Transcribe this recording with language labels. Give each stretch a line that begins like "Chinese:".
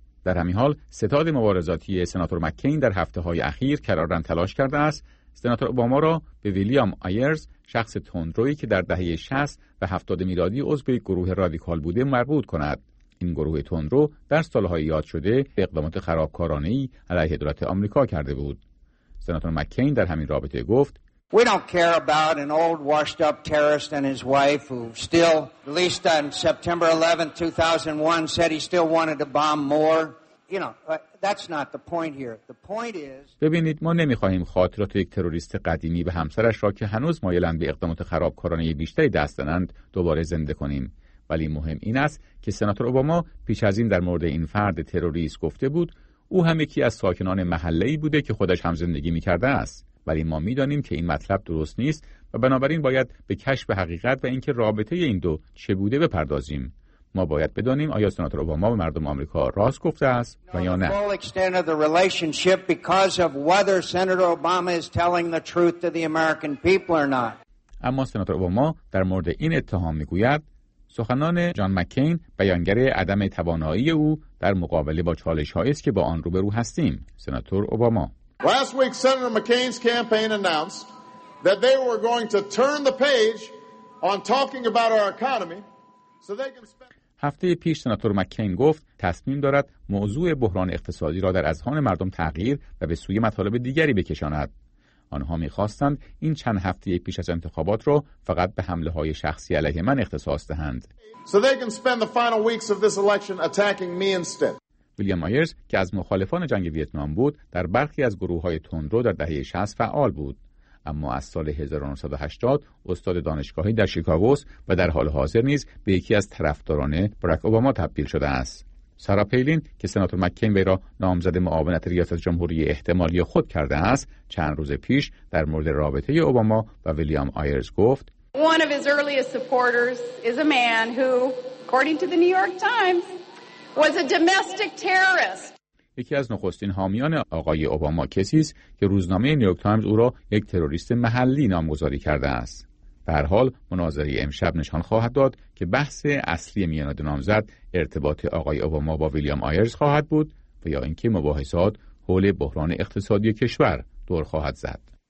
Persian: در همین حال ستاد مبارزاتی سناتور مککین در هفته‌های اخیر کرارن تلاش کرده است سناتور اوباما را به ویلیام آیرز، شخص تندرویی که در دهه 60 و 70 میلادی عضو یک گروه رادیکال بوده، مربوط کند. این گروه تندرو در سال‌های یاد شده اقدامات خرابکارانه‌ای علیه دولت آمریکا کرده بود. سناتور مککین در همین رابطه گفت:
English: We don't care about an old washed up terrorist and his wife who still, at least on September 11, 2001, said he still wanted to bomb more. You know, that's not the point here. The point is...
Persian: ببینید، ما نمیخواهیم خاطرات یک تروریست قدیمی به همسرش را که هنوز مایلند به اقدامات خرابکارانه بیشتری دست دادند دوباره زنده کنیم. ولی مهم این است که سناتور اوباما پیش از این در مورد این فرد تروریست گفته بود او هم یکی از ساکنان محله‌ای بوده که خودش هم زندگی میکرده است. ولی ما میدانیم که این مطلب درست نیست و بنابراین باید به کشف حقیقت و اینکه رابطه این دو چه بوده بپردازیم. ما باید بدانیم آیا سناتور اوباما به مردم آمریکا راست گفته است و یا نه.
English: The extent of the relationship because of whether Senator Obama is telling the truth to the American people or not.
Persian: اما سناتور اوباما در مورد این اتهام میگوید سخنان جان مککین بیانگر عدم توانایی او در مقابله با چالش‌هایی است که با آن روبرو هستیم. سناتور اوباما:
English: Last week, Senator McCain's campaign announced that they were going to turn the page on talking about our economy, so they can spend.
Persian: هفته پیش سناتور مککین گفت تصمیم دارد موضوع بحران اقتصادی را در اذهان مردم تغییر و به سوی مطالب دیگری بکشاند. آنها می‌خواستند این چند هفته پیش از انتخابات را فقط به حمله‌های شخصی علیه من اختصاص دهند.
English: So they can spend the final weeks of this election attacking me instead.
Persian: ویلیام مایرز که از مخالفان جنگ ویتنام بود در برخی از گروه‌های تندرو در دهه 60 فعال بود، اما از سال 1980 استاد دانشگاهی در شیکاگو است و در حال حاضر نیز به یکی از طرفداران براک اوباما تبدیل شده است. سارا پیلین که سناتور مککین را نامزد معاونت ریاست جمهوری احتمالی خود کرده است، چند روز پیش در مورد رابطه اوباما و ویلیام آیرز گفت:
English: One of his earliest supporters is a man who, according to the New York Times, was a domestic terrorist.
Persian: یکی از نخستین حامیان آقای اوباما کسی است که روزنامه نیویورک تایمز او را یک تروریست محلی نامگذاری کرده است. به هر حال مناظره امشب نشان خواهد داد که بحث اصلی میان دو نامزد ارتباط آقای اوباما با ویلیام آیرز خواهد بود و یا اینکه مباحثات حول بحران اقتصادی کشور دور خواهد زد.